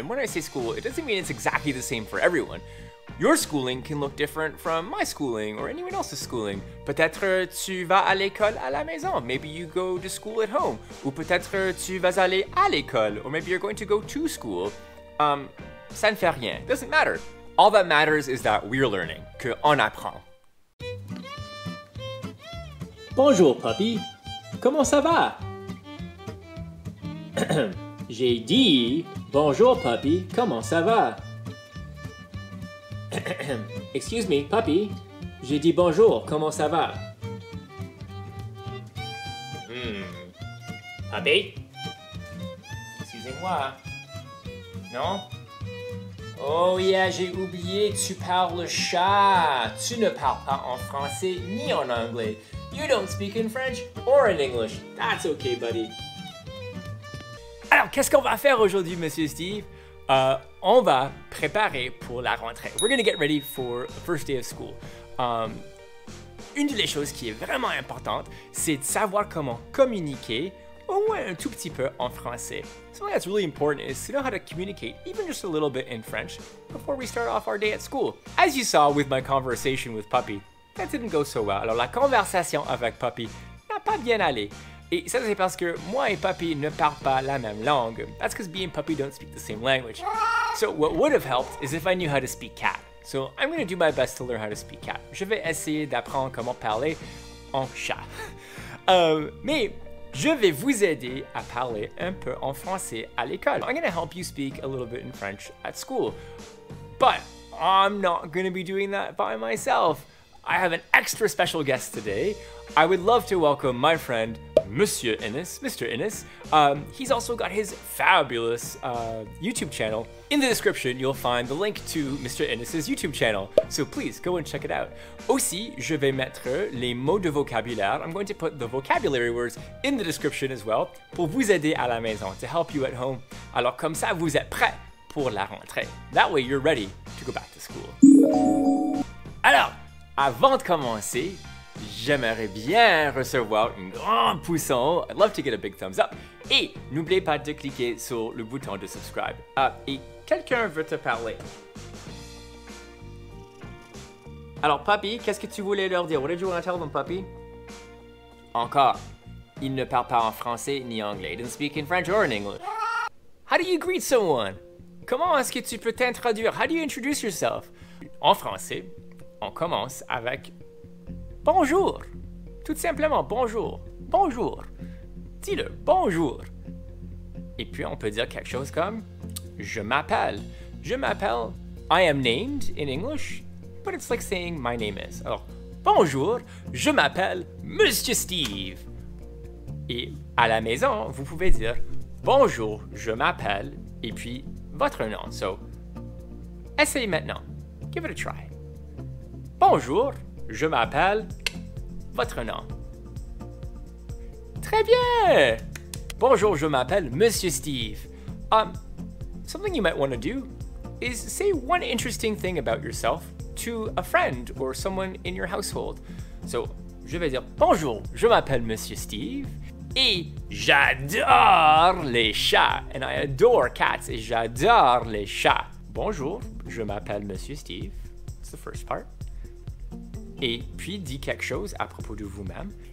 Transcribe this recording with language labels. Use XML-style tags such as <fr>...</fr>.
<en>When I say school, it doesn't mean it's exactly the same for everyone. Your schooling can look different from my schooling or anyone else's schooling.</en> <fr>Peut-être tu vas à l'école à la maison.</fr> <en>Maybe you go to school at home.</en> <fr>Ou peut-être tu vas aller à l'école.</fr> <en>Or maybe you're going to go to school.</en> <fr>Ça ne fait rien.</fr> <en>It doesn't matter. All that matters is that we're learning.</en> <fr>Que on apprend. Bonjour, papy. Comment ça va? J'ai dit bonjour, papy. Comment ça va?</fr> <en>Excuse me,</en> <fr>papy. J'ai dit bonjour. Comment ça va? Papy? Excusez-moi. Non?</fr> <en>Oh yeah,</en> <fr>j'ai oublié. Tu parles chat. Tu ne parles pas en français ni en anglais.</fr> <en>You don't speak in French or in English. That's okay, buddy.</en> <fr>Alors, qu'est-ce qu'on va faire aujourd'hui, Monsieur Steve? On va préparer pour la rentrée.</fr> <en>We're gonna get ready for the first day of school.</en> <fr>Une des choses qui est vraiment importante, c'est de savoir comment communiquer, au moins un tout petit peu en français.</fr> <en>Something that's really important is to know how to communicate, even just a little bit in French, before we start off our day at school. As you saw with my conversation with Puppy, that didn't go so well.</en> <fr>Alors la conversation avec Puppy n'a pas bien allé. Et ça, c'est parce que moi et Papi ne parlent pas la même langue.</fr> <en>That's because me and Papi don't speak the same language. So what would have helped is if I knew how to speak cat. So I'm going to do my best to learn how to speak cat.</en> <fr>Je vais essayer d'apprendre comment parler en chat. Mais je vais vous aider à parler un peu en français à l'école.</fr> <en>I'm going to help you speak a little bit in French at school. But I'm not going to be doing that by myself. I have an extra special guest today. I would love to welcome my friend, Monsieur Innes, Mr. Innes. He's also got his fabulous YouTube channel. In the description, you'll find the link to Mr. Innes' YouTube channel. So please, go and check it out.</en> <fr>Aussi, je vais mettre les mots de vocabulaire.</fr> <en>I'm going to put the vocabulary words in the description as well</en> <fr>pour vous aider à la maison,</fr> <en>to help you at home.</en> <fr>Alors comme ça, vous êtes prêts pour la rentrée.</fr> <en>That way, you're ready to go back to school.</en> <fr>Alors, avant de commencer, j'aimerais bien recevoir un grand pouce en haut.</fr> <en>I'd love to get a big thumbs up.</en> <fr>Et n'oubliez pas de cliquer sur le bouton de subscribe. Et quelqu'un veut te parler. Alors, Papi, qu'est-ce que tu voulais leur dire?</fr> <en>What did you want to tell them, Papi?</en> <fr>Encore, il ne parle pas en français ni anglais.</fr> <en>He didn't speak in French or in English. How do you greet someone?</en> <fr>Comment est-ce que tu peux t'introduire?</fr> <en>How do you introduce yourself?</en> <fr>En français, on commence avec bonjour. Tout simplement, bonjour. Bonjour. Dis-le, bonjour. Et puis, on peut dire quelque chose comme je m'appelle. Je m'appelle,</fr> <en>I am named in English, but it's like saying my name is.</en> <fr>Alors, bonjour, je m'appelle Monsieur Steve. Et à la maison, vous pouvez dire bonjour, je m'appelle, et puis votre nom.</fr> <en>So,</en> <fr>essayez maintenant.</fr> <en>Give it a try.</en> <fr>Bonjour, je m'appelle votre nom. Très bien! Bonjour, je m'appelle Monsieur Steve.</fr> <en>Something you might want to do is say one interesting thing about yourself to a friend or someone in your household.</en> <fr>So, je vais dire bonjour, je m'appelle Monsieur Steve et j'adore les chats.</fr> <en>And I adore cats</en> <fr>et j'adore les chats. Bonjour, je m'appelle Monsieur Steve.</fr> <en>That's the first part.</en> <fr>Et puis dis quelque chose à propos de vous-même.</fr>